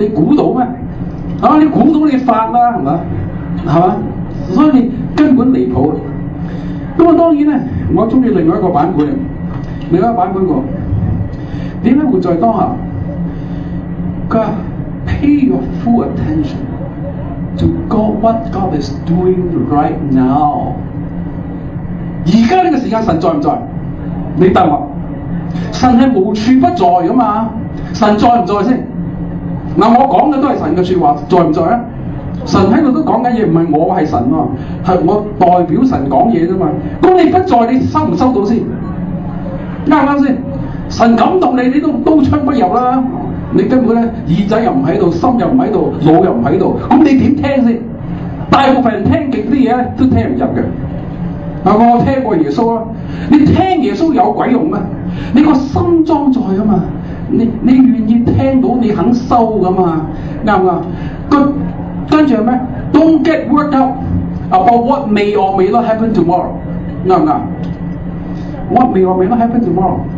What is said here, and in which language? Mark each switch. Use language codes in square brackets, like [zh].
[yue] 你估到咩？啊，你估到你發啦，係嘛？係嘛？所以你根本離譜。咁啊，當然咧，我中意另外一個版本，另外一個版本個點解活在當下？佢話 [en] pay your full attention。 To God, what God is doing right now. [yue] 而家呢个时间神在唔在？你答我，神系无处不在噶嘛？神在唔在先？嗱，我讲嘅都系神嘅说话，在唔在啊？神喺度都讲紧嘢，唔系我系神啊，系我代表神讲嘢啫嘛。咁你不在，你收唔收到先？啱唔啱先？神感动你，你都刀枪不入啦。你根本咧耳仔又唔喺度，心又唔喺度，脑又唔喺度，咁你点听先？大部分人听极啲嘢都听唔入嘅。我听过耶稣啦，你听耶稣有鬼用咩？你个心装载啊嘛，你愿意听到，你肯收噶嘛，啱唔啱？跟住系咩 [en] ？Don't get worked up about what may or may not happen tomorrow， [yue] 啱唔啱 [en] ？What may or may not happen tomorrow？